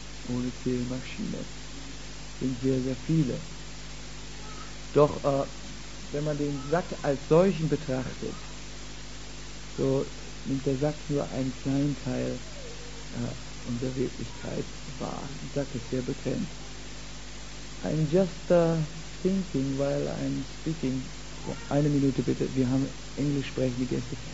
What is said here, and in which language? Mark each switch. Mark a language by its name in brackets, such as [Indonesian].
[German] Ohne Zählmaschine sind sehr, sehr viele. Doch wenn man den Sack als solchen betrachtet, so nimmt der Sack nur einen kleinen Teil unserer Wirklichkeit wahr. Der Sack ist sehr begrenzt. [English] I'm just thinking while I'm speaking. [German] Oh, eine Minute bitte, wir haben Englisch sprechende Gäste.